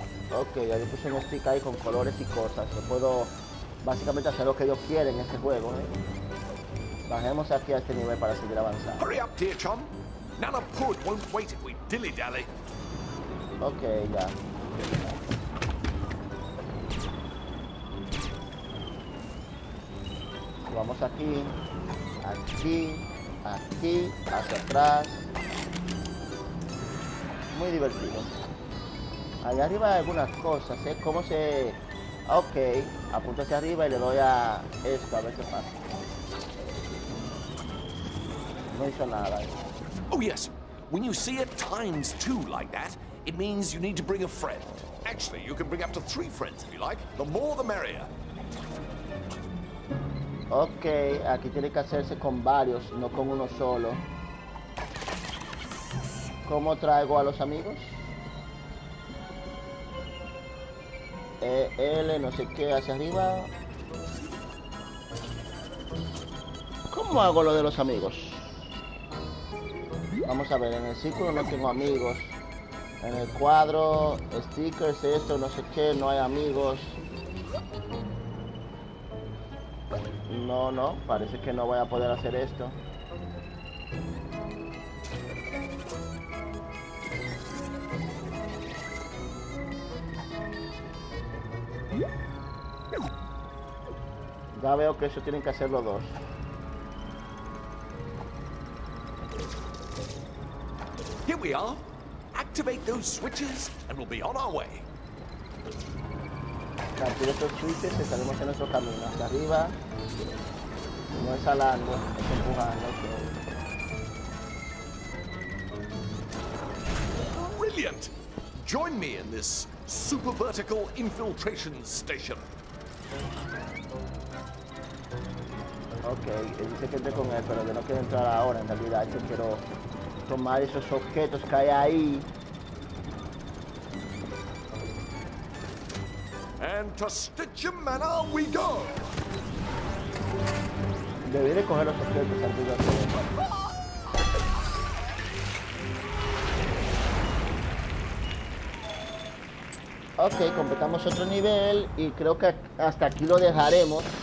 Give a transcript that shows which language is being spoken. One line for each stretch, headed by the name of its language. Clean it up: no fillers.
Spanish: Ok, ya yo puse un stick ahí con colores y cosas. Yo puedo básicamente hacer lo que yo quiera en este juego, ¿eh? Bajemos aquí a este nivel para seguir avanzando.
English: Hurry up, dear chum. Nana Pud won't wait if we dilly-dally.
Spanish: Ok, ya. Vamos aquí, aquí, aquí, hacia atrás. Muy divertido. Allá arriba hay algunas cosas, ¿eh? ¿Cómo se...? Ok, apunto hacia arriba y le doy a esto, a ver qué pasa. No hizo nada.
English: Oh, yes. When you see it times two like that, it means you need to bring a friend. Actually, you can bring up to three friends if you like. The more, the merrier.
Spanish: Ok, aquí tiene que hacerse con varios, no con uno solo. ¿Cómo traigo a los amigos? L, no sé qué, hacia arriba. ¿Cómo hago lo de los amigos? Vamos a ver, en el círculo no tengo amigos. En el cuadro, stickers, esto, no sé qué, no hay amigos. No, no, parece que no voy a poder hacer esto. Ya veo que eso tienen que hacerlo dos.
English: Here we are. Activate those switches and we'll be on our way.
Spanish: Activar estos switches y estaremos en nuestro camino hacia arriba. No es salando, es empujando.
English: Brilliant! Join me in this super vertical infiltration station.
Spanish: Ok, dice que entre con él, pero yo no quiero entrar ahora en realidad. Yo quiero tomar esos objetos que hay ahí.
English: And to Stitcher Manor we go!
Spanish: Debería coger los objetos antes de hacer eso. Ok, completamos otro nivel y creo que hasta aquí lo dejaremos.